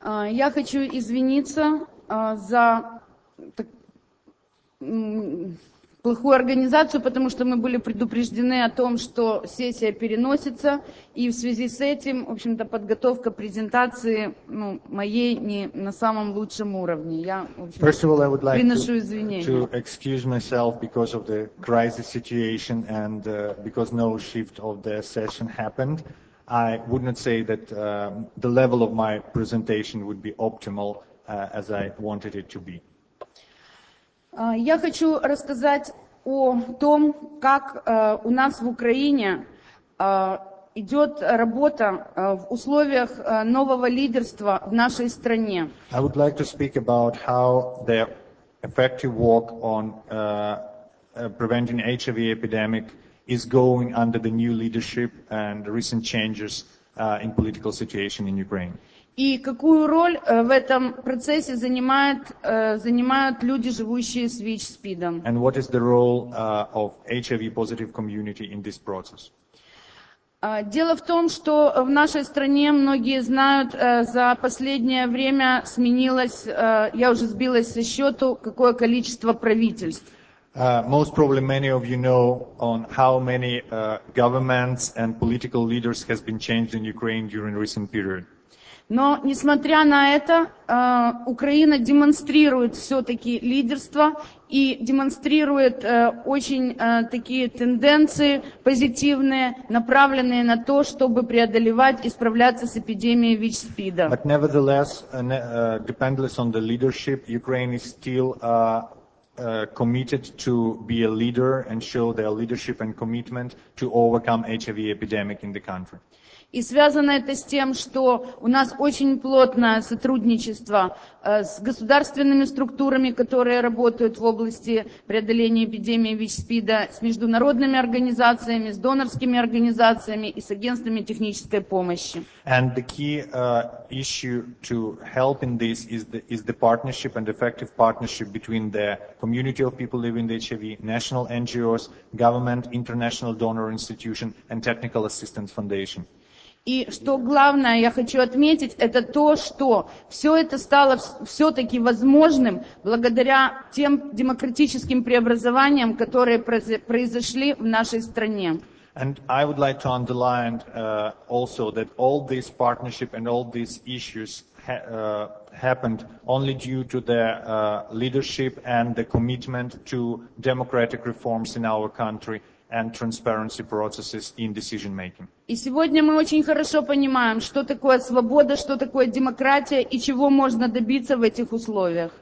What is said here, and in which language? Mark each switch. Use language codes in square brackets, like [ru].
[ru] Я хочу извиниться за плохую организацию, потому что мы были предупреждены о том, что сессия переносится, и в связи с этим, в общем-то, подготовка презентации моей не на самом лучшем уровне. Я, в общем-то, приношу извинения. [en] To excuse myself because of the crisis situation and because no shift of the session happened, I would not say that the level of my presentation would be optimal as I wanted it to be. [ru] Я хочу рассказать о том, как у нас в Украине идет работа в условиях нового лидерства в нашей стране. [en] I would like to speak about how the effective work on preventing HIV epidemic is going under the new leadership and recent changes in political situation in Ukraine. [ru] И какую роль в этом процессе занимают люди, живущие с ВИЧ-СПИДом? [en] And what is the role of HIV positive community in this process? [ru] Дело в том, что в нашей стране многие знают, за последнее время сменилось, я уже сбилась со счету, какое количество правительств. [en] Most probably many of you know on how many governments and political leaders has been changed in Ukraine during recent period. [ru] Но, несмотря на это, Украина демонстрирует все-таки лидерство и демонстрирует очень такие тенденции позитивные, направленные на то, чтобы преодолевать и справляться с эпидемией ВИЧ-СПИДа. [en] But nevertheless, dependless on the leadership, Ukraine is still committed to be a leader and show their leadership and commitment to overcome HIV epidemic in the country. [ru] И связано это с тем, что у нас очень плотное сотрудничество с государственными структурами, которые работают в области преодоления эпидемии ВИЧ-СПИДа, с международными организациями, с донорскими организациями и с агентствами технической помощи. [en] And the key issue to help in this is the partnership and effective partnership between the community of people living with HIV, national NGOs, government, international donor institution and technical assistance foundation. [ru] И что главное, я хочу отметить, это то, что все это стало все-таки возможным благодаря тем демократическим преобразованиям, которые произошли в нашей стране. [en] And I would like to underline also that all this partnership and all these issues happened only due to the leadership and the commitment to democratic reforms in our country and transparency processes in decision making. [ru] И сегодня мы очень хорошо понимаем, что такое свобода, что такое демократия и чего можно добиться в этих условиях.